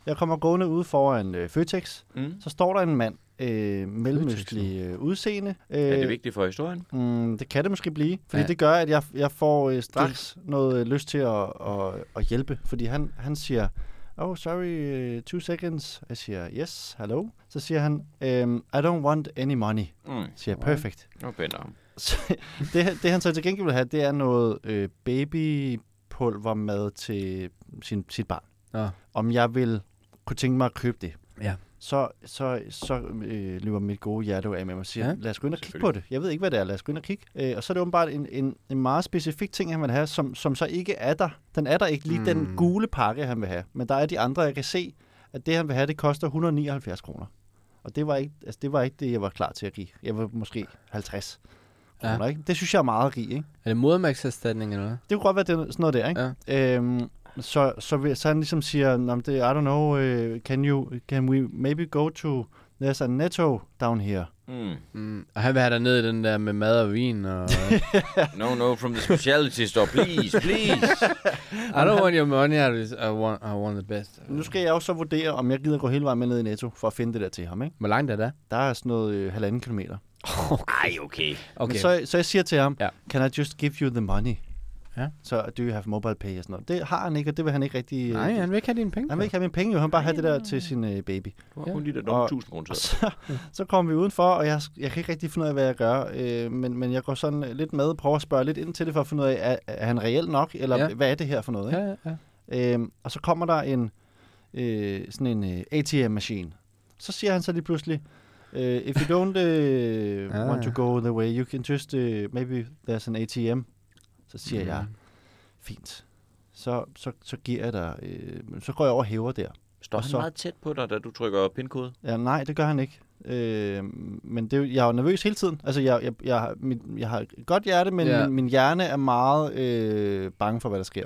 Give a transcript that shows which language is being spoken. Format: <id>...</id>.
<da>Jeg kommer gående ude foran Føtex. Mm. Så står der en mand. Mellemøstlig udseende. Er det vigtigt for historien? Det kan det måske blive, fordi ja. Det gør, at jeg får straks noget lyst til at hjælpe, fordi han siger,</da> <en>oh, sorry, 2 seconds.</en> <da>Jeg siger,</da> <en>yes, hello.</en> <da>Så siger han,</da> <en>I don't want any money.</en> <da>Mm. Siger, perfect.</da> <en>Okay. Okay, no.</en> <da>det han så til gengæld vil have, det er noget babypulvermad til sit barn. Ja. Om jeg vil kunne tænke mig at købe det. Ja. Så løber mit gode hjerte af med mig og siger, ja, lad os gå ind og kigge på det. Jeg ved ikke, hvad det er. Lad os gå ind og kigge. Og så er det åbenbart en meget specifik ting, han vil have, som så ikke er der. Den er der ikke lige den gule pakke, han vil have. Men der er de andre, jeg kan se, at det, han vil have, det koster 179 kroner. Og det var ikke, altså, det var ikke det, jeg var klar til at give. Jeg var måske 50 kroner, ja. Ikke? Det synes jeg er meget at give, ikke? Er det modermærksatstatning eller noget? Det kunne godt være sådan noget der, ikke? Ja. Så han ligesom siger, det,</da> <en>I don't know, can we maybe go to there's a Netto down here?</en> <da>Og han vil have dig ned i den der med mad og vin. Og...</da> <en>no, no, from the specialty store, please. I don't want your money, I want the best.</en> <da>Nu skal jeg også vurdere, om jeg gider gå hele vejen med ned i Netto for at finde det der til ham. Ikke? Hvor langt er det? Der er sådan noget 1,5 kilometer. Okay. Ej, okay. Men så jeg siger til ham, ja.</da> <en>Can I just give you the money?</en> <da>Ja. Så</da> <en>do you have mobile pay</en> <da>og sådan noget. Det har han ikke, og det vil han ikke rigtig... Nej, han vil ikke have dine penge. Han vil ikke have mine penge, jo. Han bare have det der til sin baby. Du har kun de der dumme 1000 kroner. Så kommer vi udenfor, og jeg kan ikke rigtig finde ud af, hvad jeg gør. Men jeg går sådan lidt med og prøver at spørge lidt ind til det, for at finde ud af, er han reel nok, eller hvad er det her for noget? Ikke? Ja, ja, ja. Og så kommer der en sådan en ATM-maskine. Så siger han så lige pludselig,</da> <en>if you don't want to go the way, you can just maybe there's an ATM.</en> <da>Så siger jeg, fint. Så giver jeg dig, så går jeg over og hæver der. Står han meget tæt på dig, da du trykker pin-kode? Ja, nej, det gør han ikke. Men det, jeg er nervøs hele tiden. Altså, jeg har et godt hjerte, men min hjerne er meget bange for, hvad der sker.</da>